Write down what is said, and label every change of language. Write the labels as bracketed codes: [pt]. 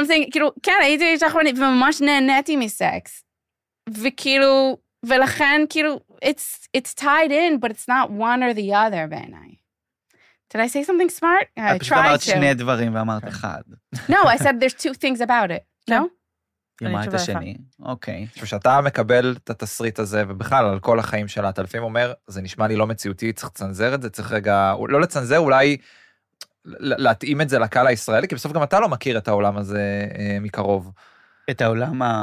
[he] כאילו, כן, הייתי אישה חרמנית, וממש נהניתי מסקס. וכאילו, ולכן כאילו, [en] it's tied in, but it's not one or the other [he] בעיניי. [en] Did I say something smart? I tried to. [he] שני דברים ואמרת אחד. [en] No, I said there's two things about it. No? [he] אמרת השני. אוקיי. כשאתה מקבל את התסריט הזה, ובכלל על כל החיים שלה, אתה לפעמים אומר, זה נשמע לי לא מציאותי, צריך לצנזר את זה, צריך רגע, לא לצנזר, אולי להתאים את זה לקהל הישראלי, כי בסוף גם אתה לא מכיר את העולם הזה מקרוב. את העולם